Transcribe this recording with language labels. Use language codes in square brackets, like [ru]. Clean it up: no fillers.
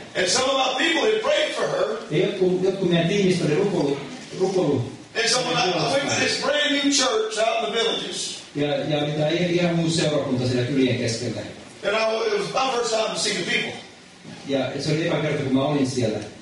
[en] And some of my people had prayed for her. [fi] Jotkut meidän tiimistä oli rukoillut. [en] And some of my people had this brand new church out in the villages. [fi] Ja mitä ihan muu seurakunta siellä kylien keskellä. [en] And it was my first time to see the people. [fi] Ja se oli eka kerta kun mä olin siellä.